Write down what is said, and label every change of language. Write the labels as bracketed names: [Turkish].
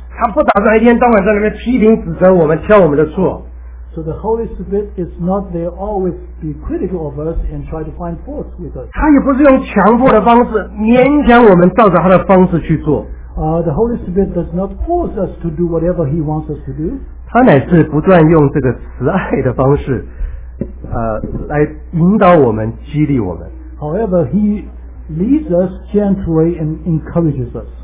[Chinese] 他不打算一天到晚在那边批评指责我们，挑我们的错。 [English] So the Holy Spirit is not there always be critical of us and try to find fault with us. [Chinese] 他也不是用强迫的方式勉强我们照着他的方式去做。 [English] The Holy Spirit does not force us to do whatever he wants us to do. [Chinese] 他乃是不断用这个慈爱的方式来引导我们，激励我们。 [English] However, he leads us gently and encourages us.